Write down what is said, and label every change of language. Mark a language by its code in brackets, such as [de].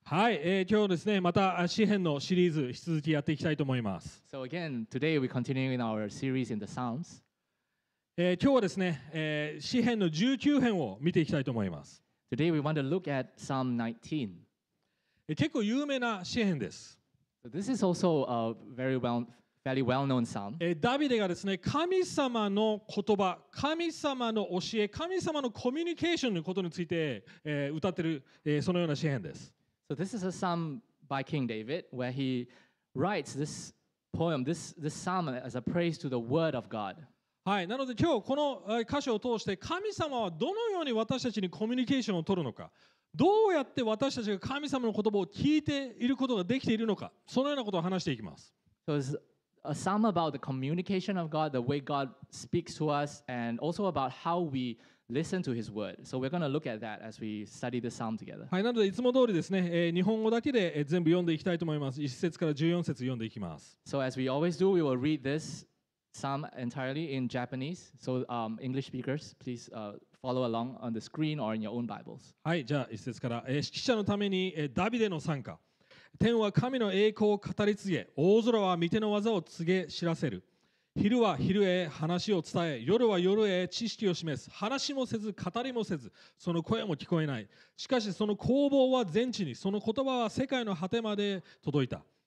[ja] はい、今日ですね、また詩編のシリーズ引き続きやっていきたいと思います。 [en] So again, today we continue in our series in the Psalms. [ja] 今日はですね、詩編の19編を見ていきたいと思います。 [en] Today we want to look at Psalm 19. [ja] 結構有名な詩編です。 [en] So this is also a very well-known Psalm. [ja] ダビデがですね、神様の言葉、神様の教え、神様のコミュニケーションのことについて、歌ってる、そのような詩編です。 [en] So this is a psalm by King David where he writes this poem, this psalm as a praise to the word of God. [ja] はい、なので今日この箇所を通して神様はどのように私たちにコミュニケーションを取るのか、どうやって私たちが神様の言葉を聞いていることができているのか、そのようなことを話していきます。 [en] So it's a psalm about the communication of God, the way God speaks to us, and also about how weListen to his word. So we're going to look at that as we study the psalm together. [ja] はい、なのでいつも通りですね、日本語だけで全部読んでいきたいと思います。 1節から14節読んでいきます。 [en] So as we always do, we will read this psalm entirely in Japanese. So English speakers, please follow along on the screen or in your own Bibles. [ja] はい、じゃあ1節から。指揮者のためにダビデの賛歌。天は神の栄光を語り継げ、大空は御手の技を告げ知らせる。昼は昼へ話を伝え、夜は夜へ知識を示す。話もせず語りもせず、その声も聞こえない。しかしその攻防は全地に、その言葉は世界の果てまで届いた。